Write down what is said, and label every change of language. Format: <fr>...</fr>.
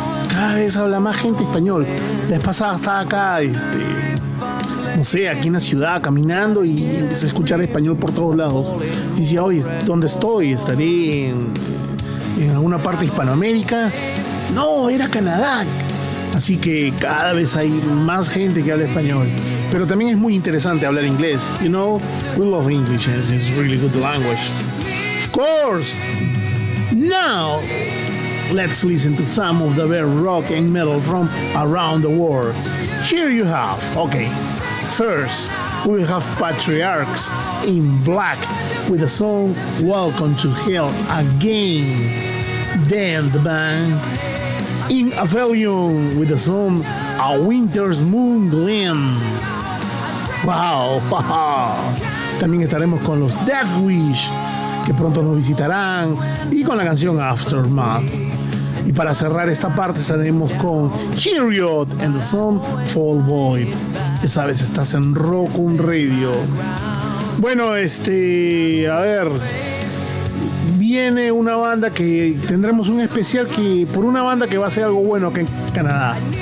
<es>Cada vez habla más gente español. La vez pasada estaba acá, no sé, aquí en la ciudad, caminando, y empecé a escuchar español por todos lados. Y decía, oye, ¿dónde estoy? ¿Estaré en alguna parte de Hispanoamérica? No, era Canadá. Así que cada vez hay más gente que habla español. Pero también es muy interesante hablar inglés.</es> <en>You know, we love English, and it's a really good language. Of course. Now, Let's listen to some of the rare rock and metal from around the world. Here you have. Okay. First, we have Patriarchs in Black with the song Welcome to Hell Again. Then the band In Avellion with the song A Winter's Moon Glim. Wow!</en> <es>También estaremos con los Death Wish, que pronto nos visitarán, y con la canción Aftermath. Y para cerrar esta parte estaremos con Heriot</es> <en>and the song</en> <es>Fall Void. Ya sabes, estás en Rockun Radio. Bueno, a ver, viene una banda que tendremos un especial que por una banda que va a ser algo bueno aquí en Canadá.</es>